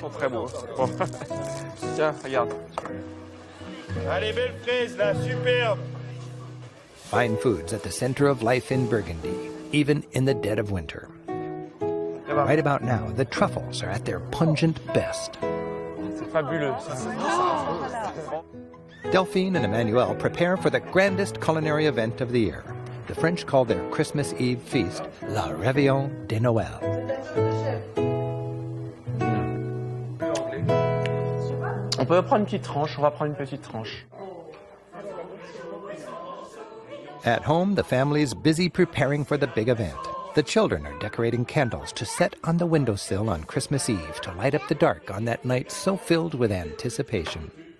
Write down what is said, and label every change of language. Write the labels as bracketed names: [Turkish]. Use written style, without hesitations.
[English] Fine foods at the center of life in Burgundy, even in the dead of winter. Right about now, the truffles are at their pungent best. Delphine and Emmanuel prepare for the grandest culinary event of the year. The French call their Christmas Eve feast La Réveillon de Noël. [French] On peut prendre une petite tranche, on va prendre une petite tranche. [English] At home, the family's busy preparing for the big event. The children are decorating candles to set on the windowsill on Christmas Eve to light up the dark on that night so filled with anticipation.